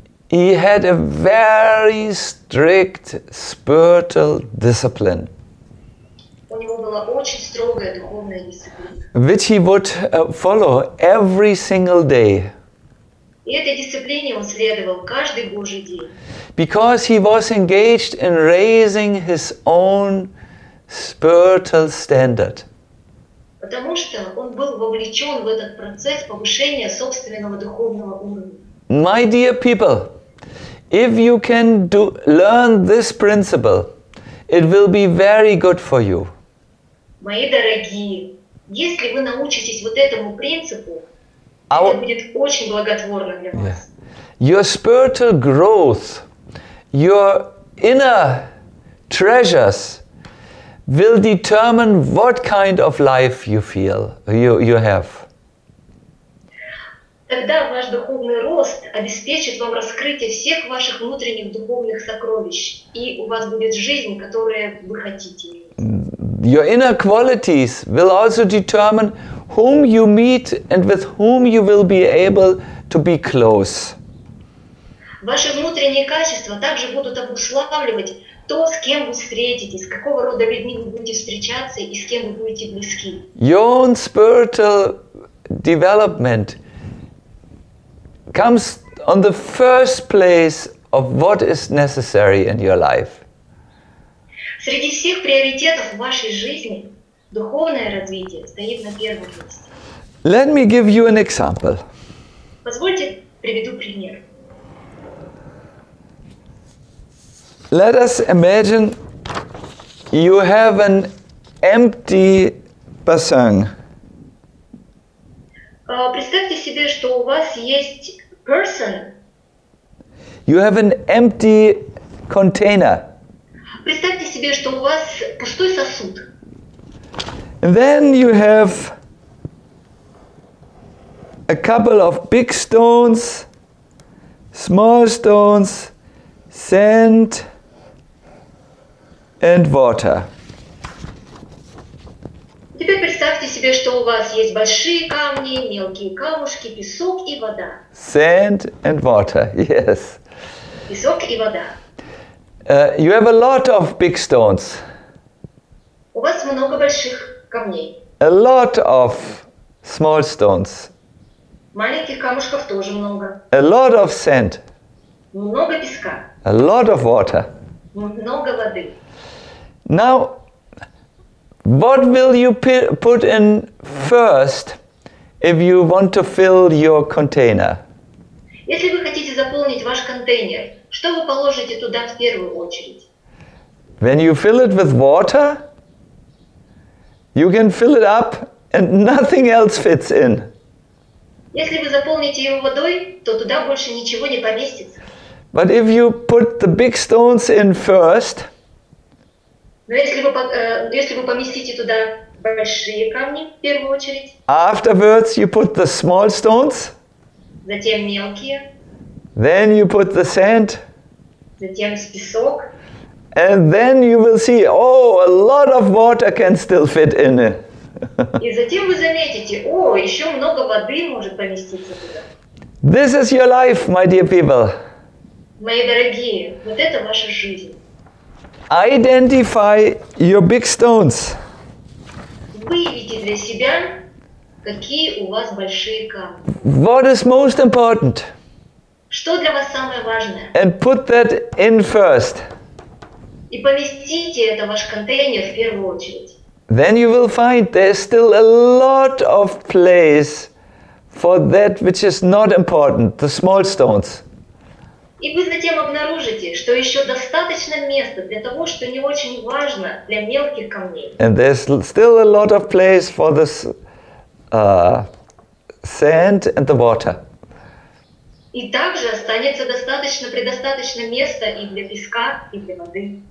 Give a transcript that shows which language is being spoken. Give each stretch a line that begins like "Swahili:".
English: He had a very strict spiritual discipline.
Russian: У него была очень строгая духовная дисциплина.
English: Which he would follow every single day.
Russian: И этой дисциплине он следовал каждый Божий день.
English: Because he was engaged in raising his own spiritual standard.
Russian: Потому что он был вовлечен в этот процесс повышения собственного духовного уровня.
English: My dear people, if you can learn this principle, it will be very good for you.
Russian: Мои дорогие, если вы научитесь вот этому принципу, это будет очень благотворно для вас.
English: Yeah. Your spiritual growth, your inner treasures will determine what kind of life you feel you have.
Russian: Тогда ваш духовный рост обеспечит вам раскрытие всех ваших внутренних духовных сокровищ, и у вас будет жизнь, которую вы хотите.
English: Your inner qualities will also determine whom you meet and with whom you will be able to be close.
Russian: Ваши внутренние качества также будут обуславливать то, с кем вы встретитесь, какого рода людьми вы будете встречаться и с кем вы будете близки.
English: Your own spiritual development comes on the first place of what is necessary in your life.
Russian: Среди всех приоритетов в вашей жизни духовное развитие стоит на первом месте.
English: Let me give you an example.
Russian: Позвольте приведу пример.
English: Let us imagine you have an empty basang.
Russian: Представьте себе, что у вас есть person.
English: You have an empty container.
Russian: Представьте себе, что у вас пустой сосуд.
English: And then you have a couple of big stones, small stones, sand, and water.
Russian: Теперь представьте себе, что у вас есть большие камни, мелкие камушки, песок и вода.
English: Sand and water, yes.
Russian: Песок и вода.
English: You have a lot of big stones.
Russian: У вас много больших камней.
English: A lot of small stones.
Russian: Маленьких камушков тоже много.
English: A lot of sand.
Russian: Много песка.
English: A lot of water.
Russian: Много воды.
English: Now, what will you put in first if you want to fill your container?
Russian: Если вы хотите заполнить ваш контейнер, что вы положите туда в первую очередь?
English: When you fill it with water, you can fill it up and nothing else fits in.
Russian: Если вы заполните его водой, то туда больше ничего не поместится.
English: But if you put the big stones in first,
Russian: но если вы поместите туда большие камни в первую очередь,
English: afterwards you put the small stones,
Russian: затем мелкие,
English: then you put the sand,
Russian: затем песок,
English: and then you will see, oh, a lot of water can still fit in it.
Russian: И затем вы заметите, о, еще много воды может поместиться туда.
English: This is your life, my dear people.
Russian: Мои дорогие, вот это ваша жизнь.
English: Identify your big stones.
Russian: Выявите для себя, какие у вас большие камни.
English: What is most important?
Russian: Что для вас самое важное?
English: And put that in first.
Russian: И поместите это в ваш контейнер в первую очередь.
English: Then you will find there's still a lot of place for that which is not important, the small stones.
Russian: И вы затем обнаружите, что еще достаточно места для того, что не очень важно, для мелких камней.
English: And there's still a lot of place for this sand and the water.
Russian: И также останется предостаточно места и для песка, и для воды.